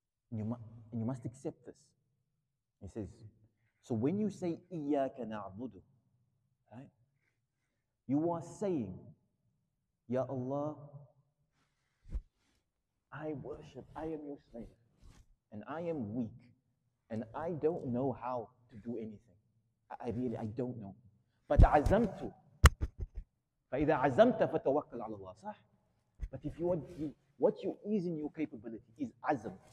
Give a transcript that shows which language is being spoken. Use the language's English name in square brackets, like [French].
[English] And you must accept this. He says, so when you say, [Arabic] إِيَّاكَ نَعْبُدُ, [English] right? You are saying, Ya Allah, I worship, I am your slave, and I am weak, and I don't know how to do anything. I really don't know. But [Arabic] عَزَمْتُ فَإِذَا عَزَمْتَ فَتَوَكَّلْ عَلَى اللَّهِ صح? [English] But if you want, what you is in your capability is عَزَمْ.